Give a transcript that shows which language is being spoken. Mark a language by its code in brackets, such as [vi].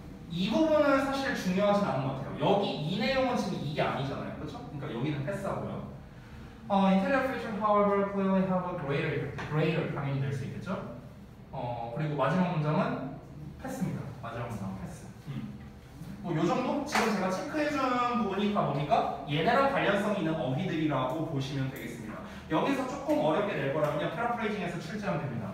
[ko] 이 부분은 사실 중요하진 않은 것 같아요. 여기 이 내용은 지금 이게 아니잖아요. 그렇죠? 그러니까 여기는 패스하고요. [en] Interior feature, however, clearly have a greater effect. [ko] Greater 당연히 될 수 있겠죠? 그리고 마지막 문장은 패스입니다. 마지막 문장은 패스. 뭐 요 정도? 지금 제가 체크해준 부분이 다 뭡니까? 얘네랑 관련성이 있는 어휘들이라고 보시면 되겠습니다. 여기서 조금 어렵게 낼 거라면 paraphrasing에서 출제하면 됩니다.